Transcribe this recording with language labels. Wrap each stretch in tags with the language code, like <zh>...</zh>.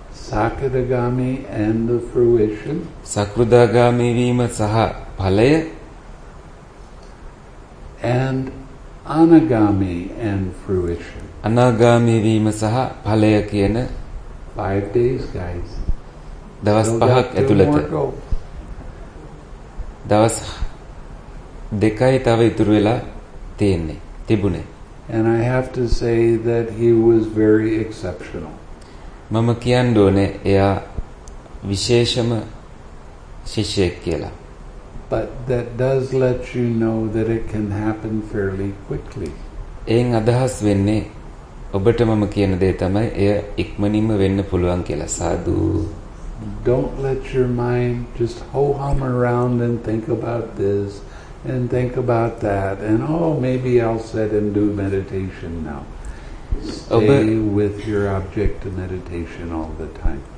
<en>Sakadagami and the fruition.</en> <si>සකෘදාගාමී වීම සහ ඵලය.</si> <en>And anagami and fruition.</en> <si>අනාගාමි වීම සහ ඵලය කියන</si> <en>5 days guys</en> <si>දවස් පහක් ඇතුළත දවස් දෙකයි තව ඉතුරු වෙලා තියෙන්නේ තිබුණේ</si> <en>and I have to say that he was very exceptional</en> <si>මම කියන්න ඕනේ එයා විශේෂම ශිෂ්‍යයෙක් කියලා</si> <en>but that does let you know that it can happen fairly quickly</en> <si>එයින් අදහස් වෙන්නේ ඔබට මම කියන දේ තමයි එය ඉක්මනින්ම වෙන්න පුළුවන් කියලා සාදු</si> <en>Don't let your mind just ho-hum around and think about this and think about that and oh maybe I'll sit and do meditation now Stay with your object of meditation all the time</en>